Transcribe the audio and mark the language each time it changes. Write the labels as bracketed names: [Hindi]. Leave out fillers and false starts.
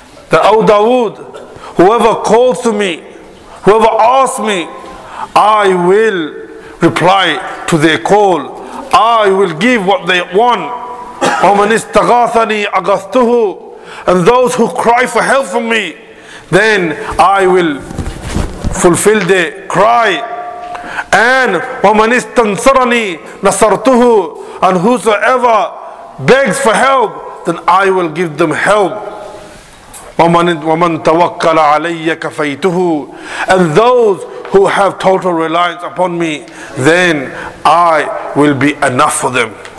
[English] That, O Dawood, whoever calls to me, whoever asks me, I will reply to their call. I will give what they want. [Arabic] ومن استغاثني أغثته. [English] And those who cry for help from me, then I will fulfill their cry. [Arabic] And ومن استنصرني نصرته. [English] And whosoever begs for help, then I will give them help. [Arabic] وَمَنْ تَوَكَّلَ عَلَيَّ كَفَيْتُهُ. [English] And those who have total reliance upon me, then I will be enough for them.